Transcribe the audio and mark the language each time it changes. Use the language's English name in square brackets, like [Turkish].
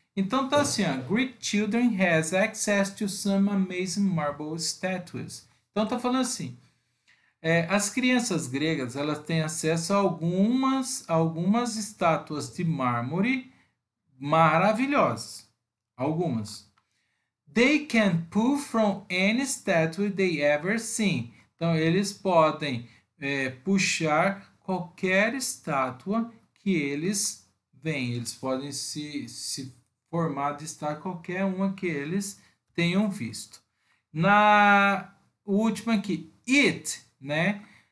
[Portuguese] Então tá assim: ó, [English] Greek children has access to some amazing marble statues. [Portuguese] Então tá falando assim: as crianças gregas elas têm acesso a algumas estátuas de mármore maravilhosas. Algumas. [English] They can pull from any statue they ever seen. [Portuguese] Então, eles podem puxar qualquer estátua que eles veem. Eles podem se formar de estar qualquer uma que eles tenham visto. Na última aqui, it, né?